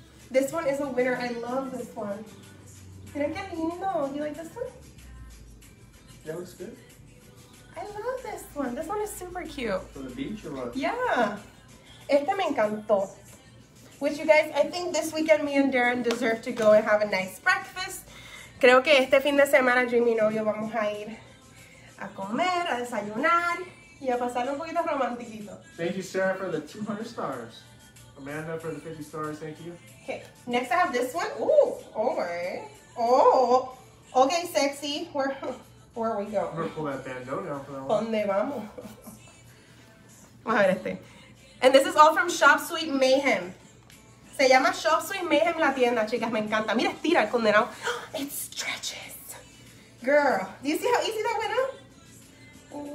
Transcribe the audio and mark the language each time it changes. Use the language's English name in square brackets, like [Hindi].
[English] This one is a winner. I love this one. [Spanish] Miren que lindo. [English] You like this one? That looks good. I love this one. This one is super cute. For the beach or what? [Spanish] Yeah. Este me encantó. [English] Which, you guys, I think this weekend me and Darren deserve to go and have a nice breakfast. [Spanish] Creo que este fin de semana yo y mi novio vamos a ir a comer, a desayunar, y a pasar un poquito romantiquito. [English] Thank you, Sarah, for the 200 stars. Amanda, for the 50 stars, thank you. Okay, next I have this one. Okay, sexy. Where are we going? I'm gonna pull that bandeau down for that [Spanish] one. ¿Dónde vamos? Vamos a ver este. [English] And this is all from Shop Sweet Mayhem. [Spanish] Se llama Shop Sweet Mayhem la tienda, chicas. Me encanta. Mira, estira el condenado. [English] It stretches. Girl, do you see how easy that went up?